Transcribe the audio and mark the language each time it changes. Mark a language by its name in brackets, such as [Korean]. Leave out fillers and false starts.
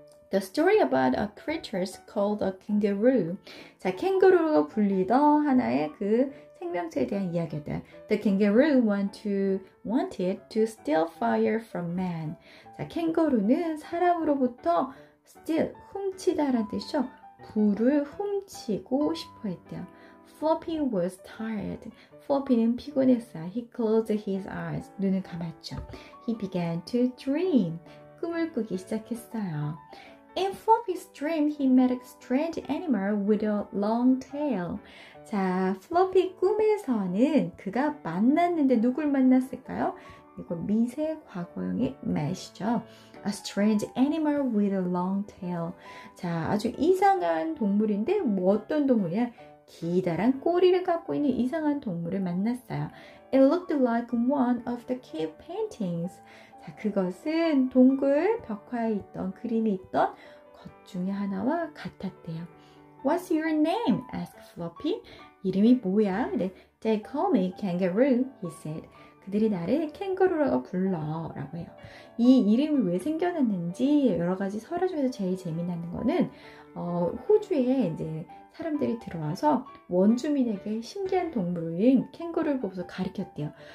[English] The story about a creature called a kangaroo. [Korean] 자, 캥거루로 불리던 하나의 그 생명체에 대한 이야기다. [English] The kangaroo wanted to steal fire from man. [Korean] 자, 캥거루는 사람으로부터 steal, 훔치다라는 뜻이죠. 불을 훔치고 싶어 했대요. [English] Floppy was tired. [Korean] Floppy는 피곤했어요. [English] He closed his eyes. [Korean] 눈을 감았죠. [English] He began to dream. [Korean] 꿈을 꾸기 시작했어요. [English] In Floppy's dream, he met a strange animal with a long tail. [Korean] 자, Floppy 꿈에서는 그가 만났는데 누굴 만났을까요? 이거 미세 과거형의 met이죠. [English] A strange animal with a long tail. [Korean] 자, 아주 이상한 동물인데 뭐 어떤 동물이야? 기다란 꼬리를 갖고 있는 이상한 동물을 만났어요. [English] It looked like one of the cave paintings. [Korean] 자, 그것은 동굴 벽화에 있던 그림이 있던 것 중에 하나와 같았대요. [English] What's your name? asked Floppy. [Korean] 이름이 뭐야? [English] 네, they call me kangaroo, he said. [Korean] 그들이 나를 캥거루라고 불러라고 해요. 이 이름이 왜 생겨났는지 여러 가지 설화 중에서 제일 재미나는 거는 호주에 이제 사람들이 들어와서 원주민에게 신기한 동물인 캥거루를 보고서 가리켰대요.